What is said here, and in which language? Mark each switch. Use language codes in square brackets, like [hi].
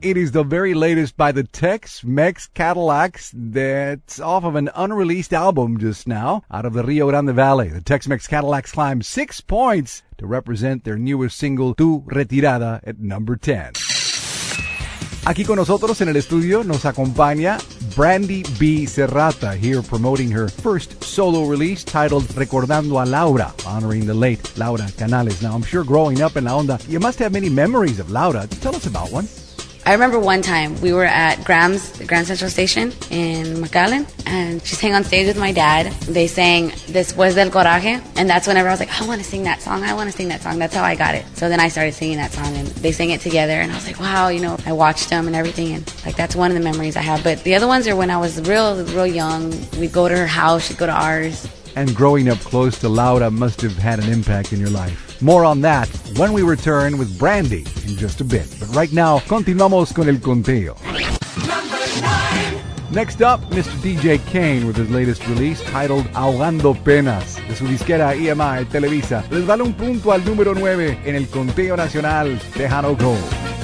[en] It is the very latest by the Tex-Mex Cadillacs. That's off of an unreleased album just now out of the Rio Grande Valley. The Tex-Mex Cadillacs climbed 6 points to represent their newest single, Tu Retirada, at number 10. [es] Aquí con nosotros en el estudio nos acompaña Brandy B. [en] Serrata, here promoting her first solo release titled Recordando a Laura, honoring the late Laura Canales. Now, I'm sure growing up in La Onda, you must have many memories of Laura. Tell us about one. I remember one time we were at Graham's, Grand Central Station in McAllen, and she sang on stage with my dad. They sang Después del Coraje, and that's whenever I was like, I want to sing that song, I want to sing that song. That's how I got it. So then I started singing that song, and they sang it together, and I was like, wow, you know, I watched them and everything, and like that's one of the memories I have. But the other ones are when I was real, real young. We'd go to her house, she'd go to ours. And growing up close to Laura must have had an impact in your life. More on that when we return with Brandy in just a bit. But right now, [es] continuamos con el conteo. [en] Next up, Mr. DJ Kane with his latest release titled Ahogando Penas. [es] De su disquera EMI Televisa, les vale un punto al número 9 en el conteo nacional Tejano Gold.